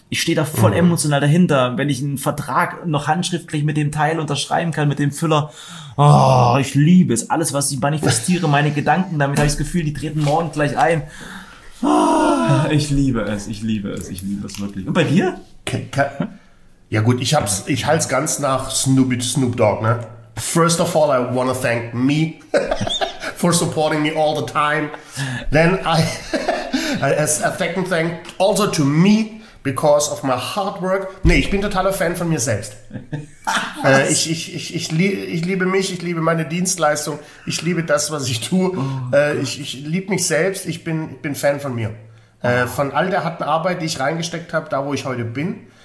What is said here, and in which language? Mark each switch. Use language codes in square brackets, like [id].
[de] Ich stehe da voll emotional dahinter, wenn ich einen Vertrag noch handschriftlich mit dem Teil unterschreiben kann, mit dem Füller. Oh, ich liebe es. Alles, was ich manifestiere, meine Gedanken, damit habe ich das Gefühl, die treten morgen gleich ein. Oh, ich liebe es, ich liebe es, ich liebe es wirklich. Und bei dir? Ja gut, ich halte es ganz nach Snoop Dogg, ne? [en] First of all, I want to thank me for supporting me all the time. Then a second thank also to me because of my hard work. [de] Nee, ich bin totaler Fan von mir selbst. Ich liebe mich, ich liebe meine Dienstleistung, ich liebe das, was ich tue. Ich liebe mich selbst, ich bin Fan von mir. Von all der harten Arbeit, die ich reingesteckt habe, da wo ich heute bin.